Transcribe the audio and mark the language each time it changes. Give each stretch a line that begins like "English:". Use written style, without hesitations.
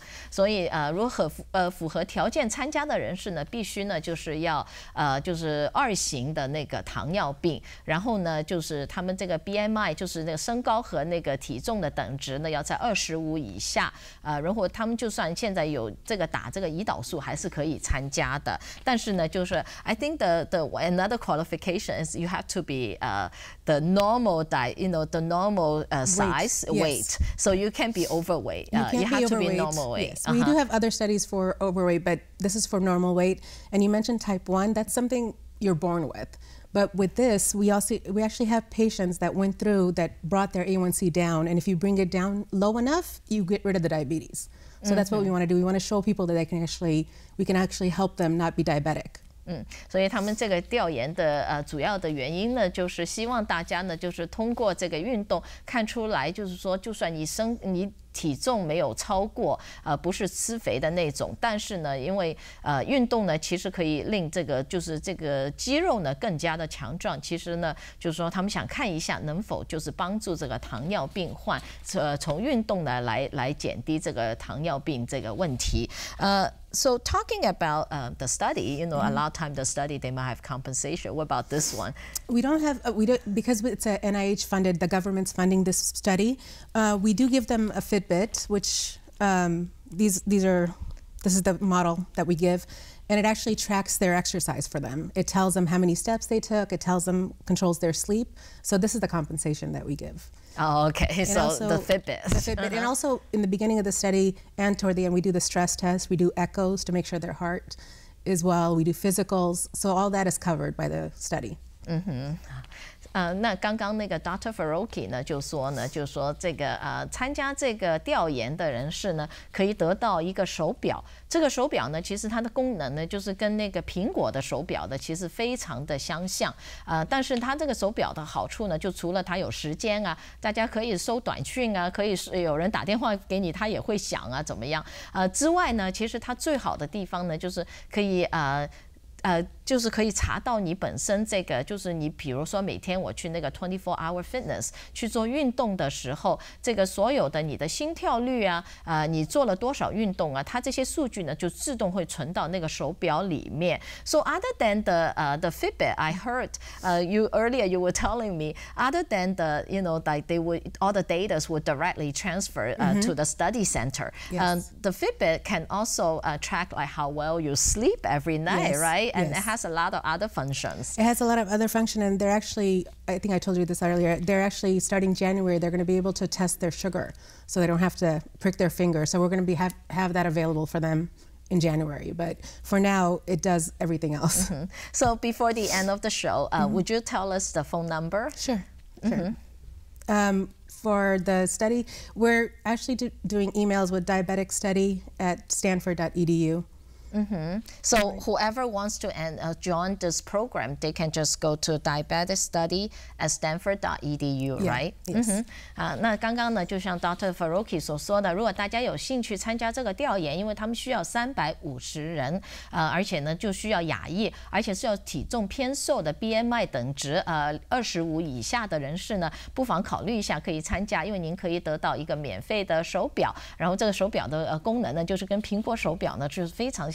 Chinese: 所以如何符合条件参加的人士呢必须呢就是要就是二型的那个糖尿病然后呢就是他们这个 BMI 就是那个身高和那个体重的等值呢要在25以下如果他们就算现在有这个打这个胰岛素还是可以参加的但是呢就是
English: I think the another qualification is you have to be the normal diet, you know, the normal size, weight. So you can't be overweight. You have to be normal weight. Yes. Uh-huh. We do have other studies for overweight, but this is for normal weight. And you mentioned type 1, that's something you're born with. But with this, we actually have patients that went through that brought their A1C down. And if you bring it down low enough, you get rid of the diabetes. So mm-hmm. that's what we want to do. We want to show people that they can actually, we can actually help them not be diabetic.
Chinese: 所以他们这个调研的主要的原因呢就是希望大家呢就是通过这个运动看出来就是说就算你体重没有超过不是吃肥的那种但是呢因为运动呢其实可以令这个就是这个肌肉呢更加的强壮其实呢就是说他们想看一下能否就是帮助这个糖尿病患从运动呢来减低这个糖尿病这个问题
English: So talking about the study, you know, mm-hmm. a lot of times the study, they might have compensation. What about this one? Because it's a NIH funded, the government's funding this study, we do give them a Fitbit, which this is the model that we give, and it actually tracks their exercise for them. It tells them how many steps they took, it tells them, controls their sleep. So this is the compensation that we give. Okay, the Fitbit. Uh-huh. And also in the beginning of the study and toward the end, we do the stress test. We do echoes to make sure their heart is well. We do physicals. So all that is covered by the study.
Chinese: Mm-hmm. 那刚刚那个 Dr. Farouki 呢就说呢就说这个参加这个调研的人士呢可以得到一个手表这个手表呢其实它的功能呢就是跟那个苹果的手表的其实非常的相像但是它这个手表的好处呢就除了它有时间啊大家可以收短讯啊可以有人打电话给你它也会响啊怎么样之外呢其实它最好的地方呢就是可以就是可以查到你本身这个就是你比如说每天我去那个 24-hour fitness 去做运动的时候这个所有的你的心跳率啊你做了多少运动啊它这些数据呢就自动会存到那个手表里面
English: So other than the Fitbit I heard you were telling me other than the you know like they would all the data would directly transfer to the study center the Fitbit can also track like how well you sleep every night it has a lot of other functions. It has a lot of other functions, and they're actually, I think I told you this earlier, they're actually starting January, they're going to be able to test their sugar so they don't have to prick their finger. So we're going to be have that available for them. In January, but for now, it does everything else. Mm-hmm. So before the end of the show, would you tell us the phone number? Sure. Mm-hmm. For the study, we're actually doing emails with diabeticstudy@stanford.edu. Mm-hmm. So whoever wants to join this program, they can just go to diabeticstudy@stanford.edu, yeah, right? Yes. Mm-hmm.
Chinese: 那刚刚呢，就像 Dr. Farouki 所说的，如果大家有兴趣参加这个调研，因为他们需要350人，而且呢就需要亚裔，而且是要体重偏瘦的 BMI 等值25以下的人士呢，不妨考虑一下可以参加，因为您可以得到一个免费的手表，然后这个手表的功能呢，就是跟苹果手表呢就是非常。